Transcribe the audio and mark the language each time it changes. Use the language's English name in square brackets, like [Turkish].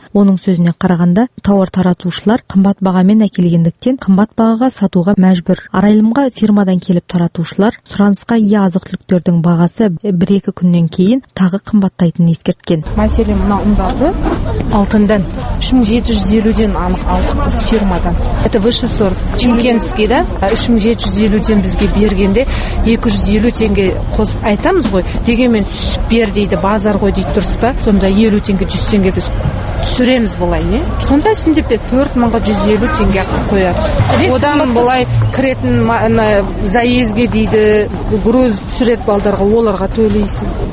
[Kazakh] Оның сөзіне қарағанда, тауар таратушылар қымбат бағамен әкелгендіктен қымбат бағаға сатуға мәжбүр. Арайлымға фирмадан келіп таратушылар сұранысқа ие азық-түліктердің бағасы 1-2 күннен кейін тағы қымбаттайтынын ескерткен. Мәселен, мына ұндарды алтыннан 3750-ден анық алдық біз фирмадан. [Russian] Это высший сорт, Чимкентский, да? [Kazakh] 3750-ден бізге бергенде 250 теңге қосып айтамыз ғой. Дегенмен түсіп бер дейді базар ғой дейді, дұрыс па? Сонда 50 теңге 100 теңге біз түсіреміз бұлай, не? Сонда үстінде 4150 теңге қояды. Одан бұлай кіретін заезге дейді, груз түсіреді балдарға, оларға төлейсің.